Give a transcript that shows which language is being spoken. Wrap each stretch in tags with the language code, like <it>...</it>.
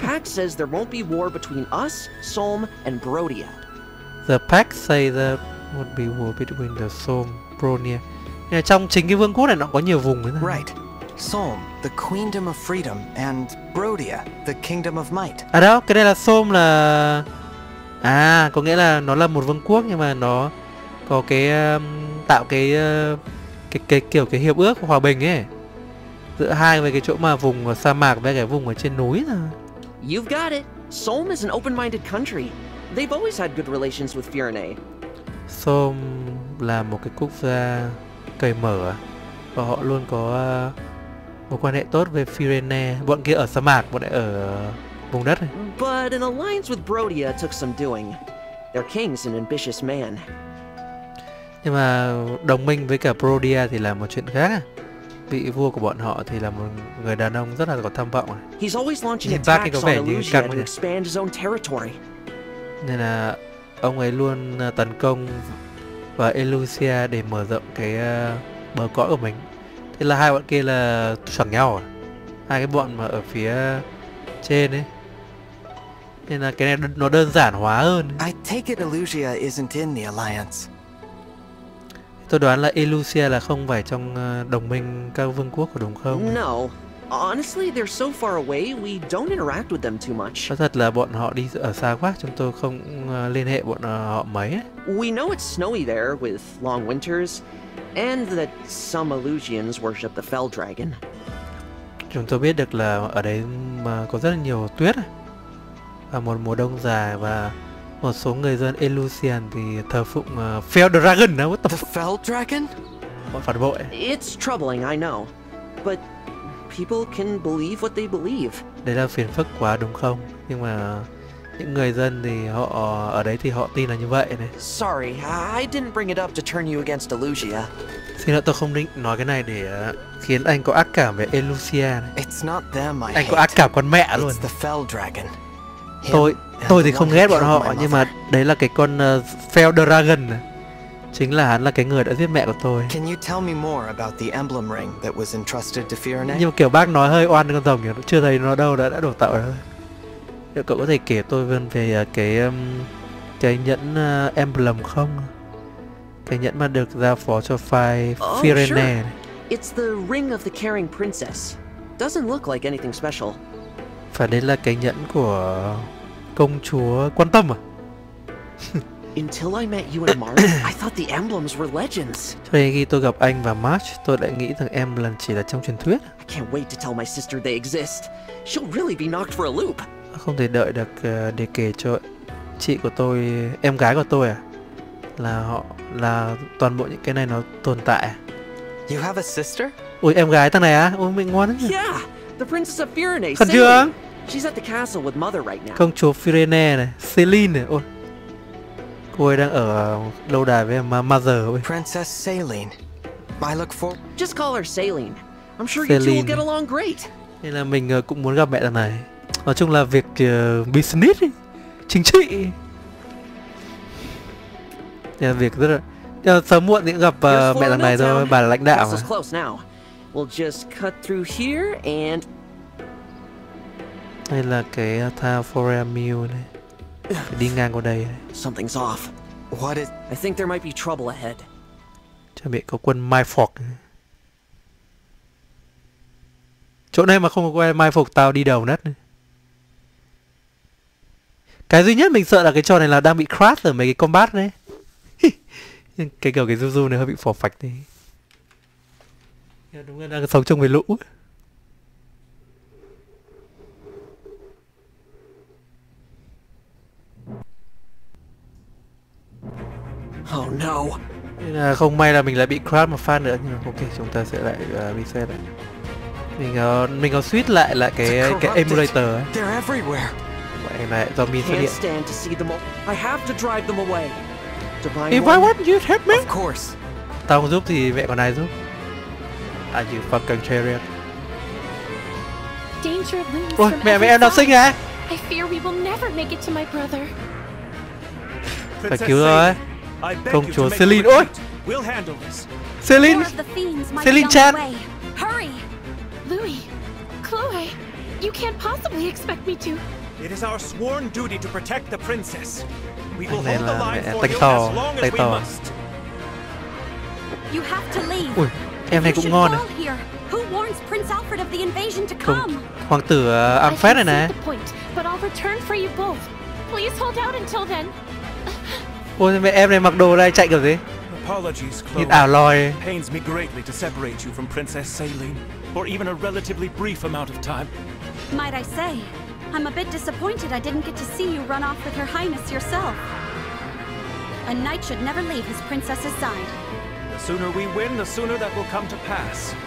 <en>The pact says there won't be war between us, Solm and Brodia. The pact say there won't be war between the Solm, Brodia.</en> <vi>Trong chính cái vương quốc này nó có nhiều vùng nữa.</vi> <en>Right. Solm, the kingdom of freedom, and Brodia, the kingdom of might.</en> <vi>À đâu, cái này là Solm là à, có nghĩa là nó là một vương quốc nhưng mà nó có cái tạo cái kiểu cái hiệp ước hòa bình ấy. Giữa hai về cái chỗ mà vùng sa mạc với cái vùng ở trên núi là.</vi> <en>You've got it. Solm is an open-minded country. They've always had good relations with Phyrenae.</en> <vi>Solm là một cái quốc gia cởi mở à? Và họ luôn có một quan hệ tốt với Phyrenae. Bọn kia ở sa mạc, bọn này ở vùng đất này.</vi> <en>But an alliance with Brodia took some doing. Their king's an ambitious man.</en> <vi>Nhưng mà đồng minh với cả Brodia thì là một chuyện khác. vị vua của bọn họ thì là một người đàn ông rất là có tham vọng. He's always launching attacks on Illusia to expand his own territory. Nên là ông ấy luôn tấn công vào Illusia để mở rộng cái bờ cõi của mình. Thế là hai bọn kia là chẳng nhau à? Hai cái bọn mà ở phía trên ấy. Nên là cái này nó đơn giản hóa hơn.</vi> <en>I take it Illusia isn't in the alliance.</en> <vi>Tôi đoán là Illusia là không phải trong đồng minh các vương quốc của đúng không?</vi> <en>No. Honestly, they're so far away, we don't interact with them too much.</en> <vi>Nói thật là bọn họ đi ở xa quá, chúng tôi không liên hệ bọn họ mấy.</vi> <en>We know it's snowy there with long winters and that some Illusians worship the Fel Dragon.</en> <vi>Chúng tôi biết được là ở đấy mà có rất là nhiều tuyết và một mùa đông dài và một số người dân Illusian thì thờ phụng Fel Dragon đó.</vi> <en>What the Fel Dragon?</en> <vi>Bọn phản bội.</vi> <en>It's troubling, I know. But people can believe what they believe.</en> <vi>Đấy là phiền phức quá đúng không? Nhưng mà những người dân thì họ ở đấy thì họ tin là như vậy này.</vi> <en>Sorry, I didn't bring it up to turn you against Illusia.</en> <vi>Xin lỗi, tôi không định nói cái này để khiến anh có ác cảm về Illusia này.</vi> <en>It's not them I</en> <vi>anh có ác cảm con mẹ luôn.</vi> <en>It's the Fel Dragon.</en> <vi>Tôi thì không ghét bọn họ, nhưng mà đấy là cái con Fel Dragon. Chính là hắn là cái người đã giết mẹ của tôi.</vi> <en>Can you tell me more about the emblem ring that was entrusted to Fiorne?</en> <vi>Nhưng mà kiểu bác nói hơi oan con rồng nhỉ, chưa thấy nó đâu đã đổ tạo rồi. Liệu cậu có thể kể tôi về cái nhẫn emblem không? Cái nhẫn mà được giao phó cho phái Fiorne.</vi> <en>Oh, sure. It's the ring of the caring princess. Doesn't look like anything special.</en> <vi>Phải đấy là cái nhẫn của công chúa quan tâm à?</vi> <en>Until I met you and Mark, I thought the emblems were legends.</en> <vi>Cho đến khi tôi gặp anh và Mark, tôi lại nghĩ rằng emblem chỉ là trong truyền thuyết.</vi> <en>I can't wait to tell my sister they exist. She'll really be knocked for a loop.</en> <vi>Không thể đợi được để kể cho chị của tôi, em gái của tôi à, là họ là toàn bộ những cái này nó tồn tại.</vi> <en>You have a sister?</en> <vi>Ui em gái thằng này á, ui mình ngoan lắm.</vi> <en>Yeah, the princess of Fiorne.</en> <vi>Thật chưa?</vi> <en>She's at the castle with mother right now.</en> <vi>Công chúa Fiorne này, Celine này, ôi. Cô ấy đang ở lâu đài với mother ấy.</vi> <en>Princess Celine. I look for. Just call her Celine. I'm sure Celine. You two will get along great.</en> <vi>Nên là mình cũng muốn gặp mẹ thằng này. Nói chung là việc business ấy, chính trị. Nên là việc rất là sớm muộn thì cũng gặp mẹ thằng này thôi, bà là lãnh đạo.</vi> <en>This is close now. We'll just cut through here and.</en> <vi>Đây là cái Tower for a Meal này. Phải đi ngang qua đây.</vi> <en>Something's off. What is? I think there might be trouble ahead.</en> <vi>Chuẩn bị có quân mai phục. Chỗ này mà không có quân mai phục tao đi đầu nát. Cái duy nhất mình sợ là cái trò này là đang bị crash ở mấy cái combat đấy. Nhưng cái kiểu cái du du này hơi bị phỏ phạch đi. Đúng là đang sống chung với lũ.</vi> <en>Oh no.</en> <vi>Nên là không may là mình lại bị crash một phát nữa, nhưng mà ok chúng ta sẽ lại reset lại. Mình có switch lại cái emulator ấy.</vi> <en>They're everywhere.</en> <vi>Vậy này do mình xuất hiện.</vi> <en>I can't stand to see them all. I have to drive them away. If I want you to help me. Of course.</en> <vi>Tao không giúp thì mẹ con ai giúp?</vi> <en>Are you fucking chariot? Danger looms.</en> <vi>Ôi mẹ em đang sinh à?</vi> <en>I fear we will never make it to my brother.</en> <vi>Phải cứu rồi. Công chúa Celine, ôi!</vi> <en>We'll handle this. Celine! Celine Chan! Hurry! Louis! Chloe! You can't possibly expect me to. It is our sworn duty to protect the princess. We will hold the line for you as long as we must. You have to leave.</en> <vi>Ui, em này cũng ngon này.</vi> <en>Who warns Prince Alfred of the invasion to come?</en> <vi>Hoàng tử Alfred này này.</vi> <en>But I'll return for you both. Please hold out until then.</en> <vi>Ôi mẹ em này mặc đồ này chạy kiểu gì?</vi> <en>Apologies, Chloe.</en> <vi>Nhìn ảo lòi.</vi> <en>Pains me greatly to separate you from Princess Celine for even a relatively brief amount of time. Might I say, I'm a bit disappointed I didn't get to see you run off with her highness yourself. A knight should never leave his princess's side. The sooner we win, the sooner that will come to pass.</en>